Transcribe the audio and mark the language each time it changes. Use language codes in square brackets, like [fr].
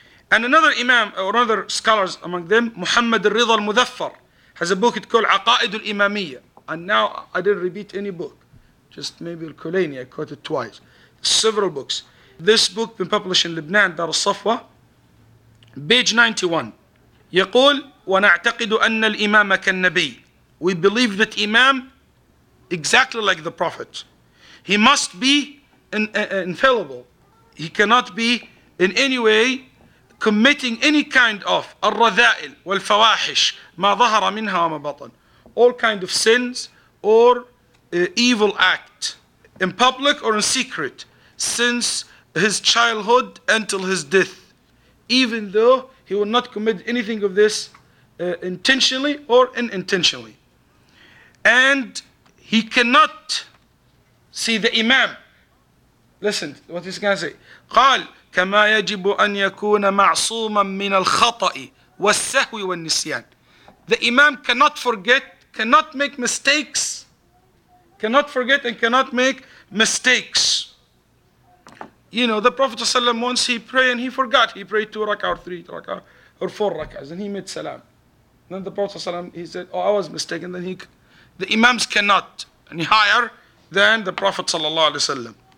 [en] And another imam, or another scholars among them, Muhammad al-Ridha al-Mudhaffar, has a book called Aqaid al-Imamiyya. And now I didn't repeat any book, just maybe al-Kulayni, I quoted twice. Several books. This book been published in Lebanon, Dar al-Safwa, page 91. [ar] يقول ونعتقد أن الإمام كالنبي. [en] We believe that imam, exactly like the Prophet, he must be infallible. He cannot be in any way committing any kind of [ar] الرذائل والفواحش ما ظهر منها وما بطن. [en] All kind of sins or evil act, in public or in secret, since his childhood until his death, even though he will not commit anything of this intentionally or unintentionally. And he cannot see the imam. Listen, what is he going to say? [ar] قال كما يجب أن يكون معصوما من الخطأ والسهو والنسيان. [en] The imam cannot forget, cannot make mistakes, cannot forget and cannot make mistakes. You know, the Prophet ﷺ, once he prayed and he forgot. He prayed 2 rak'ah or 3 rak'ah or 4 rak'ahs and he made salam. Then the Prophet ﷺ, he said, oh, I was mistaken. Then the imams cannot any higher than the Prophet ﷺ.